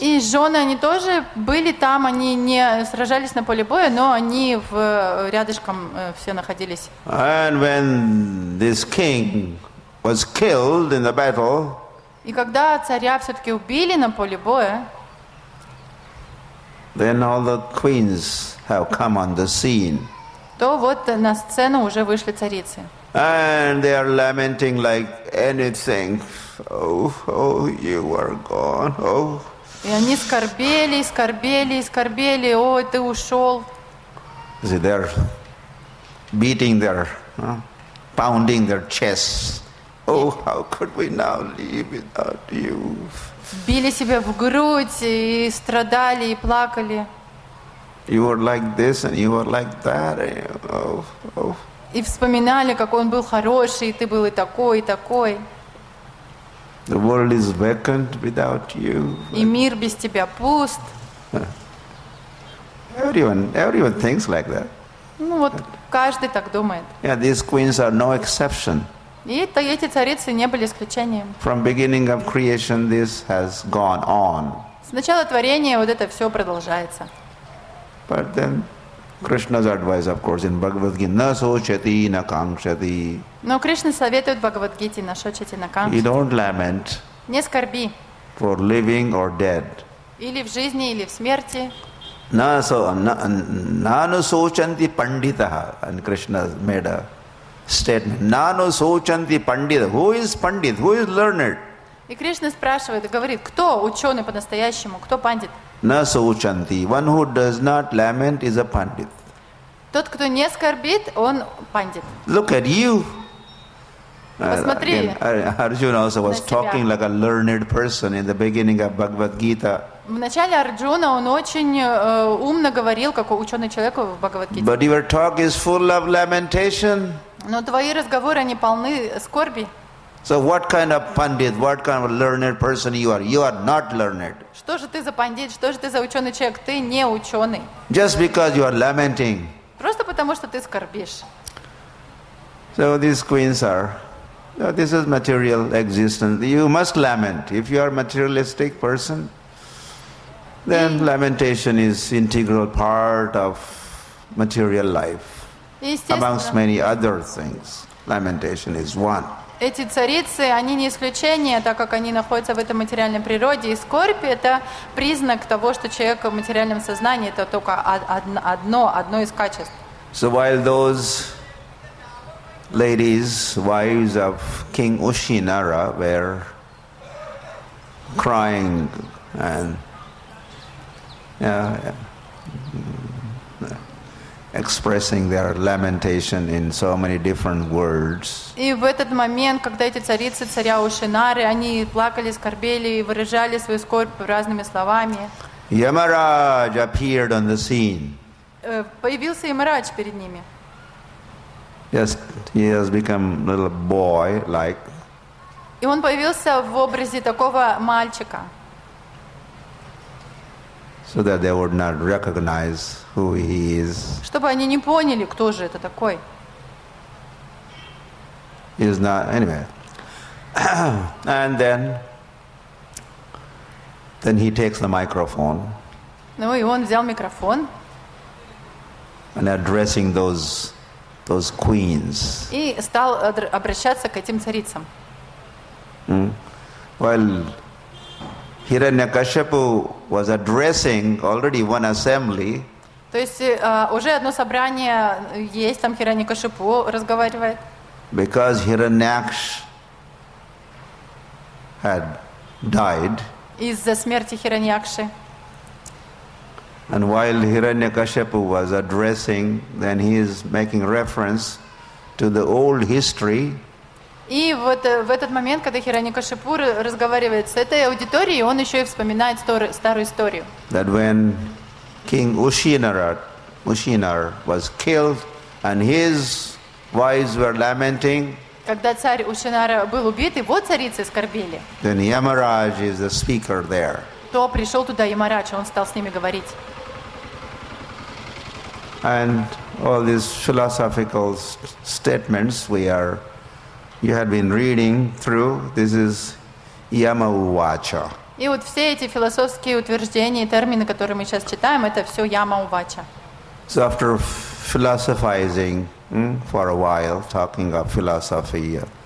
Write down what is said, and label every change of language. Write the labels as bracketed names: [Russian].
[Russian] И жены, они тоже были там, они не сражались на поле боя, но они в рядышком все находились. [English] And when this king was killed in the battle, [Russian] и когда царя все-таки убили на поле боя, [English] then all the queens have come on the scene. [Russian] То вот на сцену уже вышли царицы. [English] And they are lamenting like anything. Oh, you are gone. Oh. [Russian] И они скорбели. О, ты ушел. [English] See, they're beating their, pounding their chests. Oh, how could we now live without you? [Russian] Били себя в грудь и страдали и плакали. [English] You were like this and you were like that. Oh, oh. [Russian] И вспоминали, как он был хороший, и ты был и такой, и такой. [English] The world is vacant without you. [Russian] И мир без тебя пуст. [English] Everyone thinks like that. [Russian] Ну вот каждый так думает. [English] Yeah, these queens are no exception. [Russian] И эти царицы не были исключением. [English] From beginning of creation, this has gone on. [Russian] С начала творения вот это все продолжается. [English] But then, Krishna's advice, of course, in Bhagavad Gita, [Sanskrit] na so chati na kangshati. [Russian] Но Кришна советует в Бхагавад Гите [Sanskrit] на шочати на кангшати. [English] You don't lament. [Russian] Не скорби. [English] For living or dead. [Russian] Или в жизни, или в смерти. [Sanskrit] Na so chanti panditaha. [English] And Krishna made a statement. [Sanskrit] Na so chanti pandita. [English] Who is pandit? Who is learned? [Russian] И Кришна спрашивает, говорит, кто ученый по-настоящему, кто пандит? [Sanskrit] На соучанти. [English] One who does not lament is a pandit. [Russian] Тот, кто не скорбит, он пандит. [English] Look at you. [Russian] Посмотри. [English] Again, Arjuna also was talking like a learned person in the beginning of Bhagavad Gita. [Russian] В начале Арджуна он очень умно говорил, как ученый человек в Бхагавад Гите. [English] But your talk is full of lamentation. [Russian] Но твои разговоры они полны скорби. [English] So what kind of pandit, what kind of learned person you are? You are not learned. [Russian] Что же ты за пандит? Что же ты за ученый человек? Ты не ученый. [English] Just because you are lamenting. [Russian] Просто потому что ты скорбишь. [English] So these queens are, you know, this is material existence. You must lament. If you are a materialistic person, then lamentation is integral part of material life. Amongst many other things, lamentation is one. [Russian] Эти царицы, они не исключение, так как они находятся в этой материальной природе. И скорбь – это признак того, что человек в материальном сознании – это только одно из качеств. [English] So while those ladies, wives of King Ushinara, were crying and expressing their lamentation in so many different words. [Russian] И в этот момент, когда эти царицы, царя Ушинары, они плакали, скорбели и выражали свою скорбь разными словами. [English] Yamaraj appeared on the scene. [Russian] Появился Ямарадж перед ними. [English] Yes, he has become a little boy like. [Russian] И он появился в образе такого мальчика. [English] So that they would not recognize who he is. [Russian] Чтобы они не поняли, кто же это такой. [English] He's not anyway. And then he takes the microphone. [Russian] Ну и он взял микрофон. [English] And addressing those queens. [Russian] И стал обращаться к этим царицам. [English] Well, Hiranyakashipu was addressing already one assembly. [Russian] То есть уже одно собрание есть там Хираньякашипу разговаривает. [English] Because Hiranyaksh had died. [Russian] Из-за смерти Хираньякши. [English] And while Hiranyakashipu was addressing, then he is making reference to the old history. [Russian] И вот в этот момент, когда Хираньякашипу разговаривает с этой аудиторией, он еще и вспоминает старую историю. [English] That when King Ushinar was killed and his wives were lamenting. [Russian] Когда царь Ушинара был убит, его царицы скорбели. [English] Then Yamaraj is the speaker there. [Russian] То пришел туда Ямарадж, он стал с ними говорить. [English] And all these philosophical statements we are You had been reading through. This is Yama Uvacha. [Russian] И вот все эти философские утверждения, термины, которые мы сейчас читаем, это все Yama Uvacha. [English] So after philosophizing for a while, talking of philosophy.